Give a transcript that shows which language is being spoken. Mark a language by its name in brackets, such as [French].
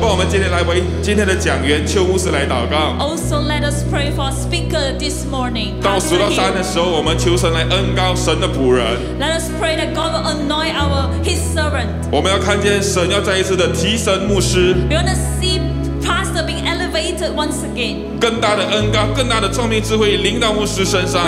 [Chinese] 今天来为今天的讲员邱牧师来祷告。 [English] Also, let us pray for our speaker this morning. [Chinese] 到数到三的时候，我们求神来恩膏神的仆人。 [English] Let us pray that God will anoint His servant. [Chinese] 我们要看见神要再一次的提升牧师。 [English] We want to see pastor being elevated once again. [Chinese] 更大的恩膏，更大的聪明智慧临到牧师身上。